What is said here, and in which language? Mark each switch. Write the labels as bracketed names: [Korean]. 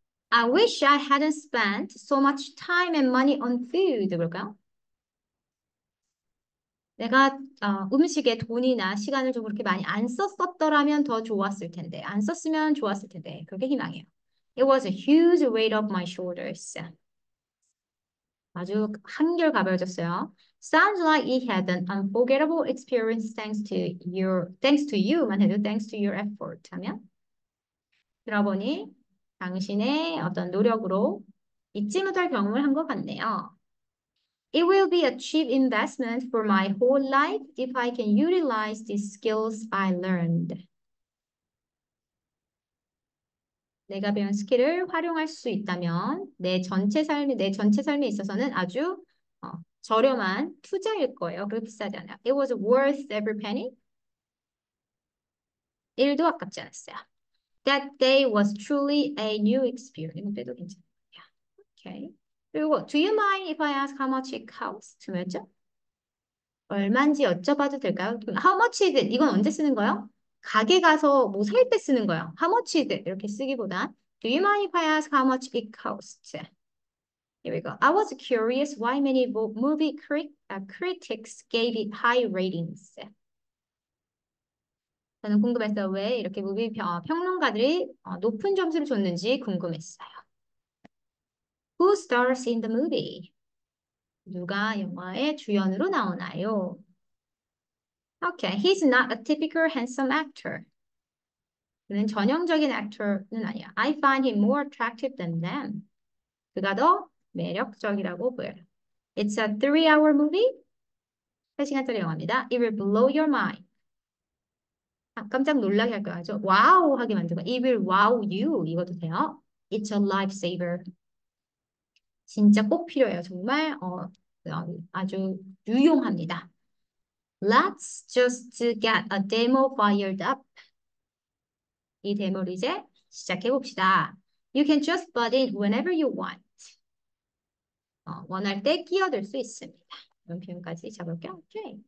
[English] I wish I hadn't spent so much time and money on food. [Korean] 그럴까요? 내가 음식에 돈이나 시간을 좀 그렇게 많이 안 썼었더라면 더 좋았을 텐데. 안 썼으면 좋았을 텐데. 그게 희망이에요. [English] It was a huge weight off my shoulders. [Korean] 아주 한결 가벼워졌어요. [English] Sounds like it had an unforgettable experience thanks to you만 해도 thanks to your effort 하면 [Korean] 들어보니 당신의 어떤 노력으로 잊지 못할 경험을 한것 같네요. [English] It will be a cheap investment for my whole life if I can utilize these skills I learned. [Korean] 내가 배운 스킬을 활용할 수 있다면 내 전체 삶에 있어서는 아주 저렴한 투자일 거예요. 그렇게 비싸지 않아요. [English] It was worth every penny. [Korean] 1도 아깝지 않았어요. [English] That day was truly a new experience. [Korean] 이것도 괜찮아요. Okay. [English] 그리고 Do you mind if I ask how much it costs? [Korean] 두 명이죠? 얼마인지 여쭤봐도 될까요? [English] How much is it? [Korean] 이건 언제 쓰는 거예요? 가게 가서 뭐살때 쓰는 거야. [English] How much is it? [Korean] 이렇게 쓰기보다 [English] Do you mind if I ask how much it costs? Here we go. I was curious why many movie critics gave it high ratings. [Korean] 저는 궁금했어요. 왜 이렇게 무비 평론가들이 높은 점수를 줬는지 궁금했어요. [English] Who stars in the movie? [Korean] 누가 영화의 주연으로 나오나요? [English] Okay, he's not a typical handsome actor. [Korean] 그는 전형적인 액터는 아니야. [English] I find him more attractive than them. [Korean] 그가 더 매력적이라고 보여요. [English] It's a 3-hour movie? [Korean] 3시간짜리 영화입니다. [English] It will blow your mind. [Korean] 깜짝 놀라게 할 거야. 와우 하게 만들 거야. [English] It will wow you. [Korean] 이것도 돼요. [English] It's a lifesaver. [Korean] 진짜 꼭 필요해요. 정말 아주 유용합니다. [English] Let's just get a demo fired up. [Korean] 이 데모를 이제 시작해 봅시다. [English] You can just butt in whenever you want. [Korean] 원할 때 끼어들 수 있습니다. 이런 표현까지 잡을게요. Okay.